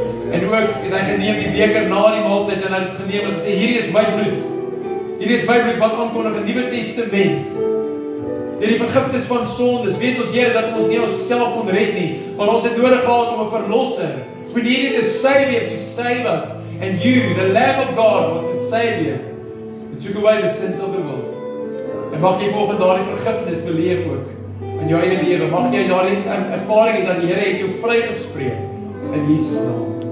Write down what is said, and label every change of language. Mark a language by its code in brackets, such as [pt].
[af] En ook, het hy geneem die beker na die maaltijd en hy het geneem en gesê, hierdie is my bloed. Hierdie is my bloed wat aankondig in die Nuwe Testament. Deur die vergifnis van sondes, weet ons Here dat ons nie ons self kon red nie, maar ons het nodig gehad om 'n verlosser. [en] We needed a savior to save us. And you, the Lamb of God, was the savior. It took away the sins of the world. [af] En mag jy volgende daar die vergifnis beleef ook in jou eie lewe. Mag jy daar die ervaring het dat die Here het jou vrygespreek in Jesus naam.